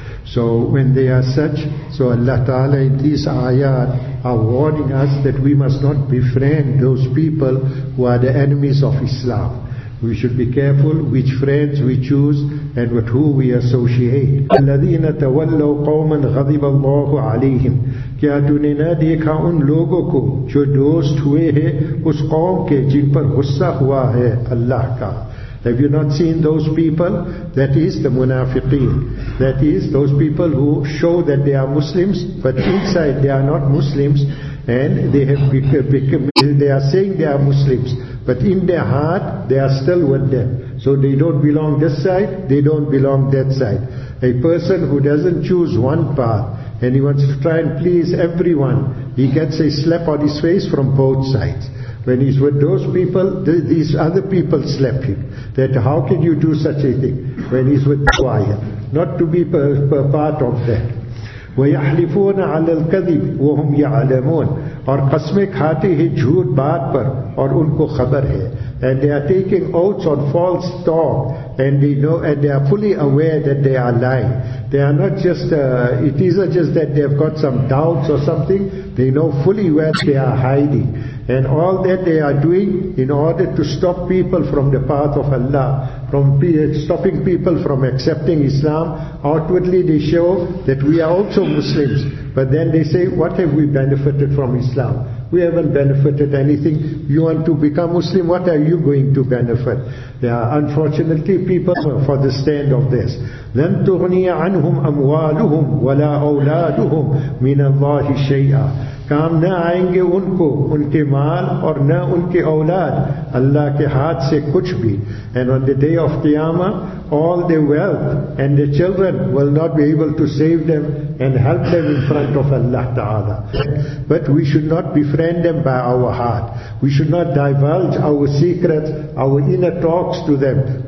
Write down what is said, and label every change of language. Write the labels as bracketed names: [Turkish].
[English] So when they are such, so Allah Ta'ala in these ayat are warning us that we must not befriend those people who are the enemies of Islam. We should be careful which friends we choose and with who we associate. [Arabic] الَّذِينَ تَوَلَّوْا قَوْمًا غَضِبَ اللَّهُ عَلَيْهِمْ [Urdu] کیا تُو نے نہ دیکھا ان لوگوں کو جو دوست ہوئے ہیں اس قوم کے جن پر غصہ ہوا ہے اللہ کا. [English] Have you not seen those people? That is the munafiqeen. That is those people who show that they are Muslims, but inside they are not Muslims, and they have they are saying they are Muslims, but in their heart they are still with them. So they don't belong this side, they don't belong that side. A person who doesn't choose one path, and he wants to try and please everyone, he gets a slap on his face from both sides. When he's with those people, these other people slap him. That how can you do such a thing? When he's with the choir. Not to be per part of that. [Arabic] وَيَحْلِفُونَ عَلَى الْكَذِبِ وَهُمْ يَعْلَمُونَ [Urdu] اور قسمیں کھاتے ہیں جھوٹ بات پر اور ان کو خبر ہے. [English] And they are taking oaths on false talk, and they know, and they are fully aware that they are lying. They are not just, it isn't just that they have got some doubts or something, they know fully where they are hiding. And all that they are doing in order to stop people from the path of Allah, from stopping people from accepting Islam, outwardly they show that we are also Muslims. But then they say, what have we benefited from Islam? We haven't benefited anything. You want to become Muslim, what are you going to benefit? There are unfortunately people for the stand of this. [Arabic] لَن تُغْنِيَ عَنْهُمْ أَمْوَالُهُمْ وَلَا أَوْلَادُهُمْ مِنَ اللَّهِ شَيْئًا [Urdu] کام نہ آئیں گے ان کو ان کے مال اور نہ ان کے اولاد اللہ کے ہاتھ سے کچھ بھی. [English] And on the day of Qiyamah, all their wealth and their children will not be able to save them and help them in front of Allah Ta'ala. But we should not befriend them by our heart. We should not divulge our secrets, our inner talks to them.